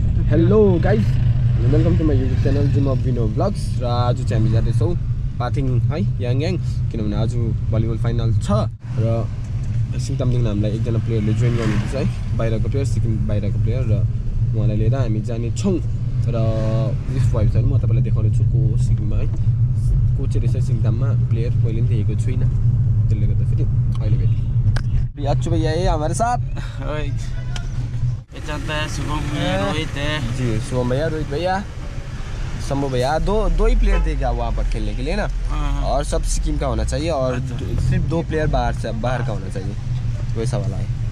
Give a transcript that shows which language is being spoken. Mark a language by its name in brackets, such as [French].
[English] Hello guys, welcome to my YouTube channel Jim of विनो blogs. [Nepali] र आज चाहिँ हामी जाँदैछौँ पाथिङ है याङयाङ, किनभने आज भलिबल फाइनल छ र सिङतामदेखि हामीलाई एकजना प्लेयरले जोइन गर्नुहुन्छ है, बाहिरको प्लेयर, सिक्किम बाहिरको प्लेयर, र उहाँलाई लिएर हामी जानेछौँ। र लिस्ट वाइज म तपाईँलाई देखाउने छु को सिक्किममा है को चाहिँ रहेछ सिङतामा प्लेयर, मैले पनि देखेको छुइनँ त्यसले गर्दा फेरि अहिले भेट। [Hindi] याचु भैया है हमारे साथ, जी शुभम भैया, रोहित भैया, शंभू भैया, दो ही प्लेयर देगा वहाँ पर खेलने के लिए ना, और सब सिक्किम का होना चाहिए और सिर्फ दो प्लेयर बाहर का होना चाहिए, वही सवाल है।